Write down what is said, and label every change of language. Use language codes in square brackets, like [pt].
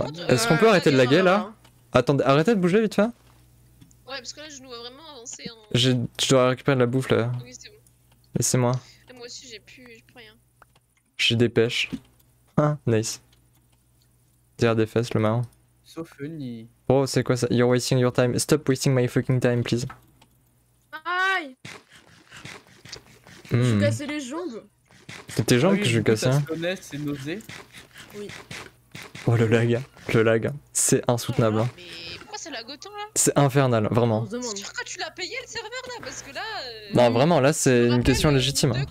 [fr] Contre, est-ce qu'on peut arrêter de laguer là hein. Attendez, arrêtez de bouger vite fait. Ouais, parce que là, je nous vois vraiment avancer. Hein. Je dois récupérer de la bouffe là. Oui, c'est bon. Laissez-moi. Et moi aussi, j'ai plus rien. J'ai des pêches. Ah, nice. Derrière des fesses, le marron. [en] So funny. [fr] Oh, c'est quoi ça? [en] You're wasting your time. Stop wasting my fucking time, please. [fr] Aïe! Mm. Je suis cassé les jambes. C'est tes jambes que je cassais. Hein. Connais, c'est nausé. Oui. Oh, le lag. C'est insoutenable. Oh là, mais pourquoi c'est lagotant là? C'est infernal, vraiment. C'est sûr que tu l'as payé le serveur là? Parce que là. Non, vraiment, là c'est une question légitime.